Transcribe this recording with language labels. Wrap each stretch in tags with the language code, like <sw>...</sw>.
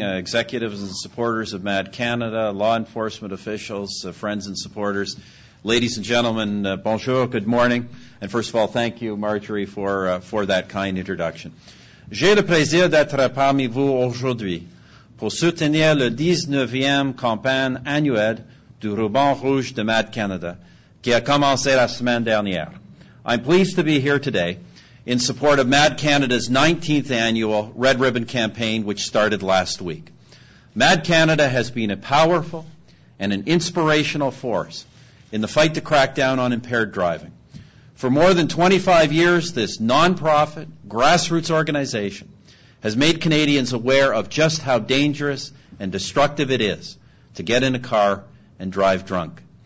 <en>Executives and supporters of MAD Canada, law enforcement officials, friends and supporters, ladies and gentlemen, bonjour, good morning. And first of all, thank you, Marjorie, for that kind introduction.</en> <fr>J'ai le plaisir d'être parmi vous aujourd'hui pour soutenir le 19e campagne annuelle du Ruban Rouge de MAD Canada, qui a commencé la semaine dernière.</fr> <en>I'm pleased to be here today in support of MAD Canada's 19th annual Red Ribbon campaign, which started last week. MAD Canada has been a powerful and an inspirational force in the fight to crack down on impaired driving. For more than 25 years, this nonprofit, grassroots organization has made Canadians aware of just how dangerous and destructive it is to get in a car and drive drunk.</en>